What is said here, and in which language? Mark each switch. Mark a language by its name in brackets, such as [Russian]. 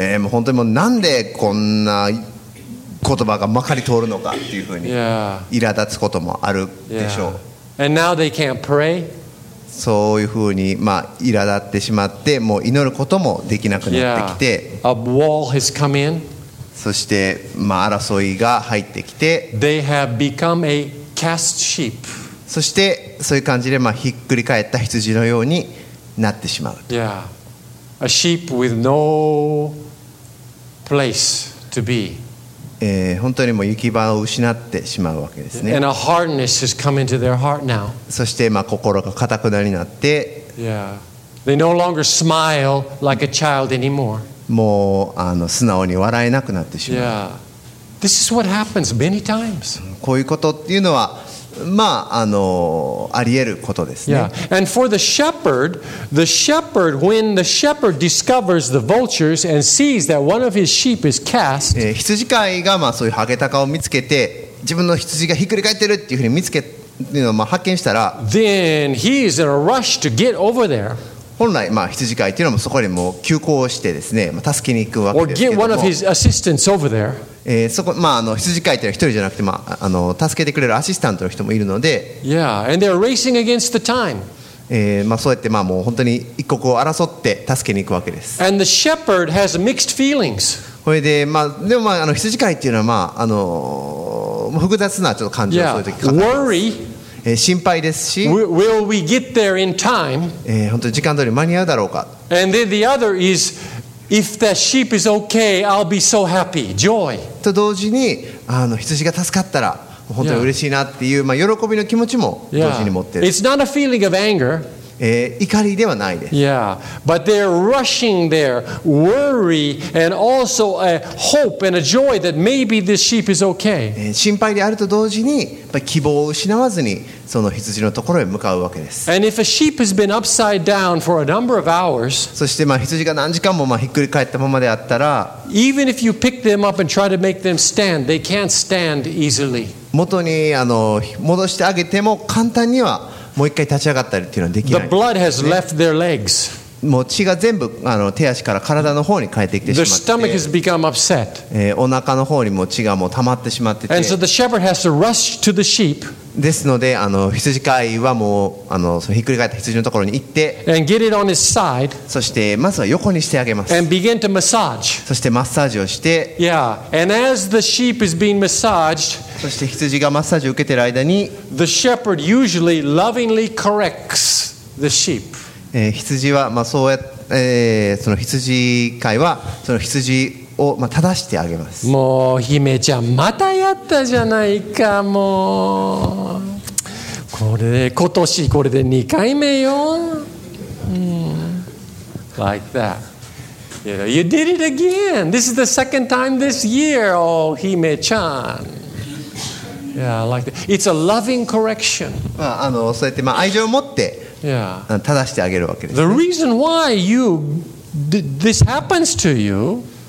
[Japanese] もう本当にもうなんでこんな言葉がまかり通るのかっていうふうに、 [English] yeah. [Japanese] 苛立つこともあるでしょう。 [English] Yeah. And now they can't pray. [Japanese] そういうふうに、まあ、苛立ってしまって、もう祈ることもできなくなってきて。 [English] Yeah. A wall has come in. [Japanese] そして、まあ、争いが入ってきて。 [English] They have become a cast sheep. [Japanese] そしてそういう感じで、まあ、ひっくり返った羊のようになってしまう。 [English] Yeah. A sheep with no place to be. [Japanese] 本当にもう行き場を失ってしまうわけですね。 [English] And a hardness has come into their heart now. [Japanese] そして、まあ、心が固くなりになって。 [English] Yeah. They no longer smile like a child anymore. [Japanese] もう素直に笑えなくなってしまう。 [English] Yeah. This is what happens many times. [Japanese] こういうことっていうのは、まあ、あり得ることですね。 [English] Yeah. And for the shepherd, when the shepherd discovers the vultures and sees that one of his sheep is cast, [Japanese] 羊飼いが、まあ、そういうハゲタカを見つけて、自分の羊がひっくり返ってるっていうふうに見つけるのを、まあ、発見したら、 [English] then he is in a rush to get over there. [Japanese] 本来、まあ、羊飼いっていうのもそこにもう急行してですね、まあ、助けに行くわけですけども、 [English] or get one of his assistants over there. [Japanese] そこまあ、羊飼いというのは一人じゃなくて、まあ、助けてくれるアシスタントの人もいるので、 [English] yeah. And they're racing against the time. [Japanese] まあ、そうやって、まあ、もう本当に一刻を争って助けに行くわけです。 [English] And the shepherd has mixed feelings. [Japanese] これで、まあ、でも、まあ、羊飼いというのは、まあ、複雑なちょっと感情をそういう時かかります。 [English] Worry. [Japanese] 心配ですし、 [English] Will we get there in time? [Japanese] 本当に時間通り間に合うだろうか。 [English] And then the other isIf that sheep is okay, I'll be so happy, joy. [Japanese] と同時に、羊が助かったら本当に嬉しいなっていう、yeah. まあ喜びの気持ちも同時に持ってる。 [English] Yeah. It's not a feeling of anger. [Japanese] 怒りではないです。 [English] Yeah, but they're rushing there, worry, and also a hope and a joy that maybe this sheep is okay. [Japanese] 心配であると同時に、希望を失わずにその羊のところへ向かうわけです。 [English] And if a sheep has been upside down for a number of hours, [Japanese] そして羊が何時間もひっくり返ったままであったら、 [English] even if you pick them up and try to make them stand, they can't stand easily. [Japanese] 元に戻してあげても簡単にはもう一回立ち上がったりっていうのはできない。 [English] The blood has left their legs. [Japanese] もう血が全部手足から体の方に返ってきてしまって。 [English] Their stomach has become upset. [Japanese] お腹の方にも血がもう溜まってしまってて。 [English] And so the shepherd has to rush to the sheep. [Japanese] ですので羊飼いはもうそのひっくり返った羊のところに行って。 [English] And get it on his side. [Japanese] そしてまずは横にしてあげます。 [English] And begin to massage. [Japanese] そしてマッサージをして。 [English] Yeah. And as the sheep is being massaged. [Japanese] そして羊がマッサージを受けている間に、 [English] The shepherd usually lovingly corrects the sheep. [Japanese] 羊はそうやって、その羊飼いはその羊を正してあげます。もう姫ちゃんまたやったじゃないか、もうこれ今年これで2回目よ。 [English] Like that. You did it again. This is the second time this year. Oh, 姫ちゃん。Yeah, I like that. It's a loving correction. [Japanese] そうやって愛情を持って、正してあげるわけです、ね。 [English] The reason why you this happens to you,